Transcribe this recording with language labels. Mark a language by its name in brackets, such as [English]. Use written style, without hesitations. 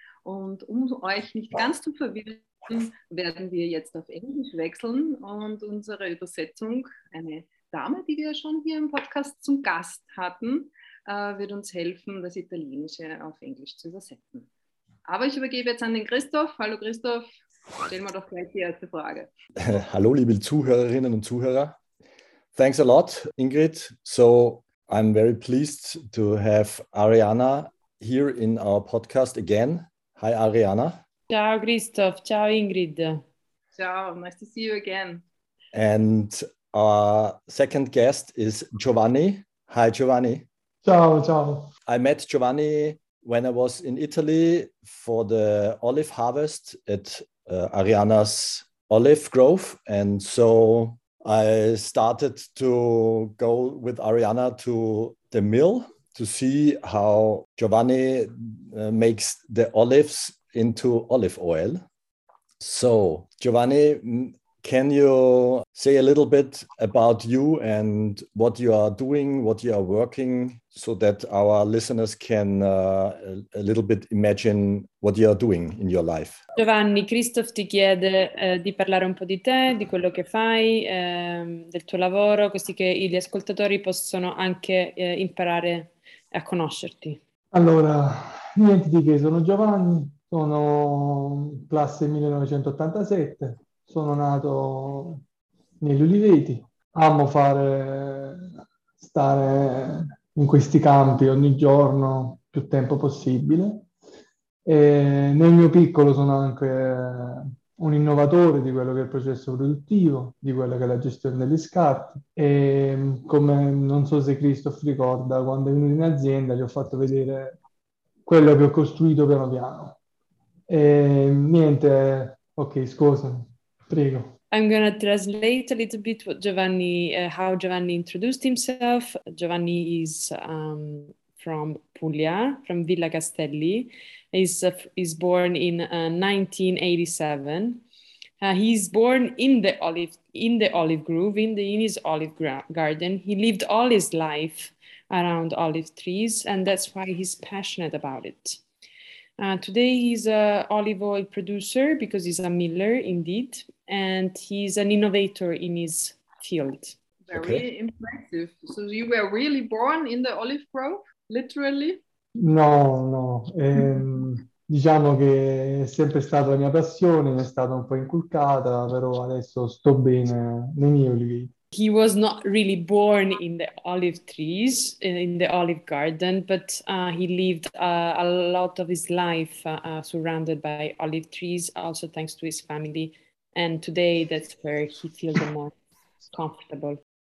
[German] Und um euch nicht ganz zu verwirren, werden wir jetzt auf Englisch wechseln und unsere Übersetzung, eine Dame, die wir schon hier im Podcast zum Gast hatten, wird uns helfen, das Italienische auf Englisch zu übersetzen. Aber ich übergebe jetzt an den Christoph. Hallo Christoph, stell mal doch gleich die erste Frage. Hallo liebe Zuhörerinnen und Zuhörer. [English] Thanks a lot, [German] Ingrid. [English] So I'm very pleased to have Arianna here in our podcast again. Hi Arianna. [Italian] Ciao Christoph, ciao Ingrid. [English] Ciao, nice to see you again. And our second guest is Giovanni. Hi Giovanni. [Italian] Ciao, ciao. [English] I met Giovanni when I was in Italy for the olive harvest at Arianna's olive grove. And so I started to go with Arianna to the mill to see how Giovanni makes the olives into olive oil. So Giovanni, can you say a little bit about you and what you are doing, what you are working, so that our listeners can a little bit imagine what you are doing in your life? [Italian] Giovanni, Christoph ti chiede di parlare un po' di te, di quello che fai, del tuo lavoro, così che gli ascoltatori possono anche imparare a conoscerti. Allora, niente di che, sono Giovanni, sono classe 1987. Sono nato negli uliveti, amo fare stare in questi campi ogni giorno più tempo possibile. E nel mio piccolo sono anche un innovatore di quello che è il processo produttivo, di quello che è la gestione degli scarti. E come non so se Christoph ricorda, quando è venuto in azienda gli ho fatto vedere quello che ho costruito piano piano. E niente, ok, scusami. Prego. [English] I'm going to translate a little bit what Giovanni, how Giovanni introduced himself. Giovanni is from Puglia, from Villa Castelli. He's born in 1987. He's born in the olive grove, in his olive garden. He lived all his life around olive trees, and that's why he's passionate about it. Today he's an olive oil producer because he's a miller indeed, and he's an innovator in his field. Very impressive. So you were really born in the olive grove, literally? No. [Italian] Diciamo che è sempre stata la mia passione, mi è stata un po' inculcata, però adesso sto bene nei miei olivi. [English] He was not really born in the olive trees, in the olive garden, but he lived a lot of his life surrounded by olive trees, also thanks to his family. And today, that's where he feels the most comfortable.